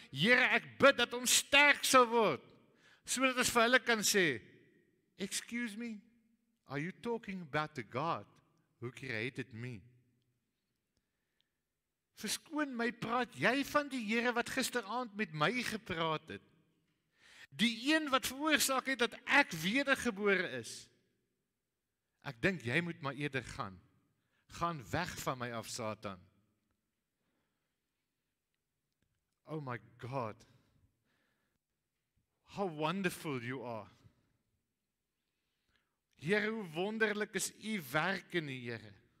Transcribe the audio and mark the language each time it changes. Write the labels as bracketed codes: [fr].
[af] Here, ek bid dat ons sterk sal word, sodat ons vir hulle kan sê, [en] "Excuse me, are you talking about the God who created me?" [af] Verskoon my, praat jy van die Here wat gisteraand met my gepraat het? Die een wat veroorsaak het dat ek wedergebore is. Ek dink jy moet maar eerder gaan. Gaan weg van my af, Satan. [en] Oh my God. How wonderful you are. [af] Here, hoe wonderlik is u werk in die Here.